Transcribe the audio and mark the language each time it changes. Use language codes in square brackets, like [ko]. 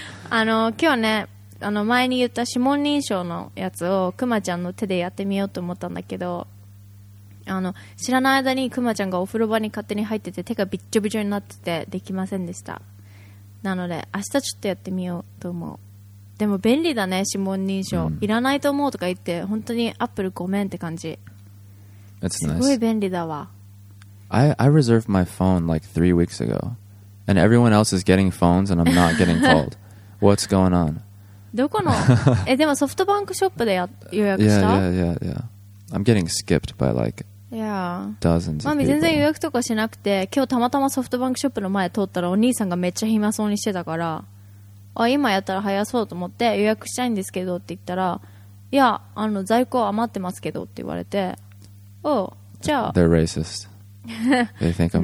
[ja] あの今日ね、あの前に言った指紋認証のやつをクマちゃんの手でやってみようと思ったんだけど、あの知らない間にクマちゃんがお風呂場に勝手に入ってて手がびっちょびちょになっててできませんでした。なので明日ちょっとやってみようと思う。でも便利だね指紋認証、いらないと思うとか言って本当にアップルごめんって感じ、 [en] That's、 [ja] すごい便利だわ、 [en] nice. I reserved my phone like 3 weeks ago, and everyone else is getting phones, and I'm not getting called. What's going on? [ja] どこの？え、でもソフトバンクショップで予約した？ [en] Yeah, yeah, yeah, yeah. I'm getting skipped by like dozens of people. [ja] 全然予約とかしなくて、今日たまたまソフトバンクショップの前通ったらお兄さんがめっちゃ暇そうにしてたから、あ、今やったら早そうと思って予約したいんですけどって言ったら、いや、あの在庫余ってますけどって言われて、お、じゃあ。 [en] They're racist. They think I'm